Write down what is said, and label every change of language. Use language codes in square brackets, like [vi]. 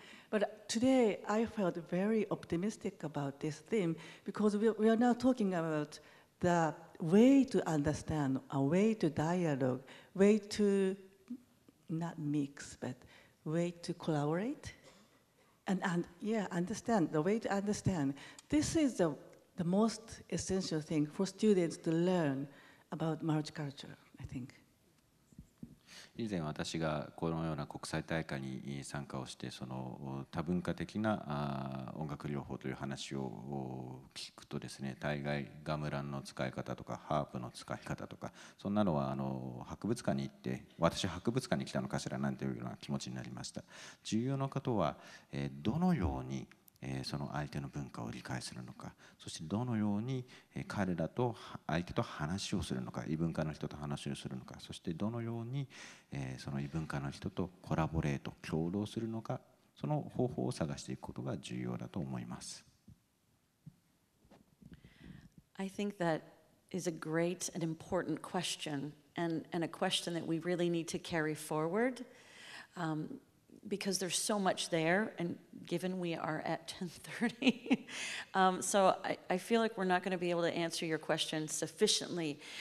[en] But today I felt very optimistic about this theme because we are now talking about the way to understand, a way to dialogue, way to not mix, but way to collaborate. And yeah, understand, the way to understand. This is the most essential thing for students to learn about multiculture, I think. [ja] 以前私がこのような国際大会に参加をしてその多文化的な音楽療法という話を聞くとですね、大概ガムランの使い方とかハープの使い方とかそんなのは博物館に行って私は博物館に来たのかしらなんていうような気持ちになりました。重要なことはどのようにその相手の文化を理解するのか、そしてどのように彼らと相手と話をするのか、異文化の人と話をするのか、そしてどのようにその異文化の人とコラボレート、協働するのか、その方法を探していくことが重要だと思います。 [en] I think that is a great and important question, and a question that we really need to carry forward. Because there's so much there, and given we are at 10:30, so I feel like we're not going to be able to answer your question sufficiently.